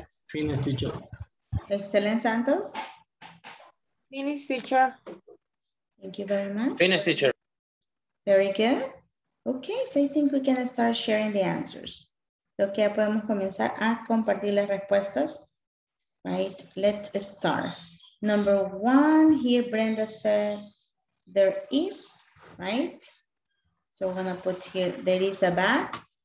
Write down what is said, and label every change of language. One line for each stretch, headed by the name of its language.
English: Finish, teacher. Excellent, Santos. Finish, teacher. Thank you very much. Finish, teacher. Very good. Okay, so I think we can start sharing the answers.
Spanish: Lo que ya podemos comenzar a compartir las respuestas.
English: Right, let's start. Number one, here Brenda said, there is, right? So we're gonna put here, there is a bag.